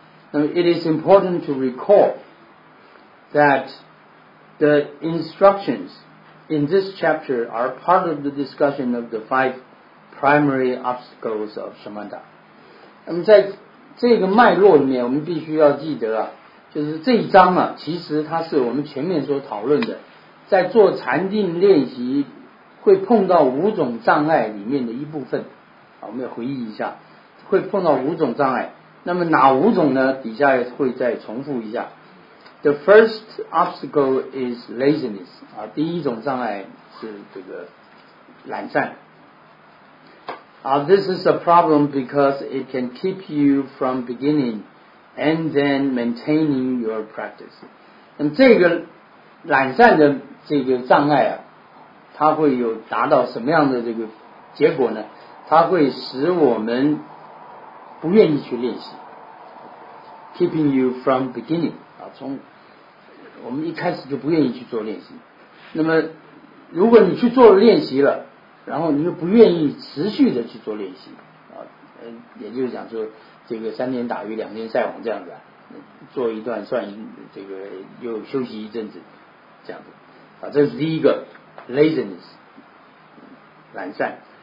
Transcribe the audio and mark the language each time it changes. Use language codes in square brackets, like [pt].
[zh] 那么 [en] It is important to recall that the instructions in this chapter are part of the discussion of the five primary obstacles of Samatha。 [zh] 那么在这个脉络里面我们必须要记得啊，就是这一章啊，其实它是我们前面所讨论的在做禅定练习会碰到五种障碍里面的一部分。我们要回忆一下，会碰到五种障碍，那么哪五种呢？底下会再重复一下。 [en] The first obstacle is laziness。 [zh] 第一种障碍是这个懒散。 [en] This is a problem because it can keep you from beginning and then maintaining your practice。 [zh] 那么这个懒散的这个障碍啊，它会有达到什么样的这个结果呢？它会使我们不愿意去练习。 [en] Keeping you from beginning。 [zh] 从我们一开始就不愿意去做练习，那么如果你去做练习了，然后你又不愿意持续的去做练习也就是讲说这个三天打鱼两天晒网这样子，做一段算这个又休息一阵子这样子这是第一个 laziness 懒散。